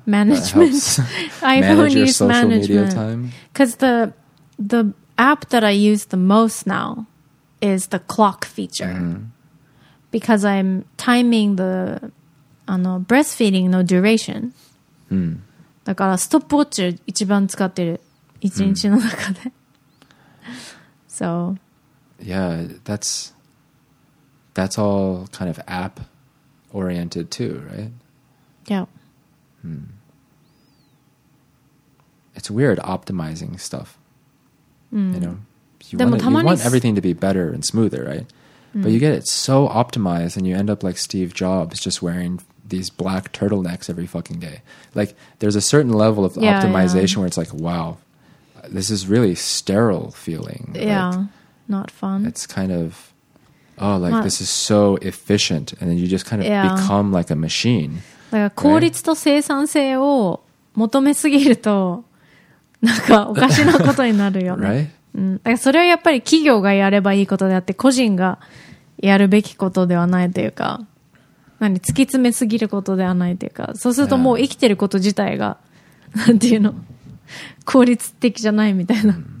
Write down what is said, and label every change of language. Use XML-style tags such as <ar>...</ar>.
<en>management. iPhone use management because the app that I use the most now is the clock feature because I'm timing the breastfeeding no duration.</en> <ja>だからストップウォッチ一番使ってる一日の中で。</ja> <en>So yeah, that's all kind of app oriented too, right? Yeah. It's weird optimizing stuff. You know, you want everything to be better and smoother, right? But you get it so optimized and you end up like Steve Jobs just wearing these black turtlenecks every fucking day. Like there's a certain level of optimization where it's like, wow, this is really sterile feeling. Yeah, like, not fun. It's kind of, oh, like this is so efficient. And then you just kind of become like a machine.</en> <ja>だから効率と生産性を求めすぎるとなんかおかしなことになるよね。</ja> <en>Right?</en> <ja>だからそれはやっぱり企業がやればいいことであって個人がやるべきことではないというか、何突き詰めすぎることではないというか、そうするともう生きてること自体がなんていうの効率的じゃないみたいな。</ja>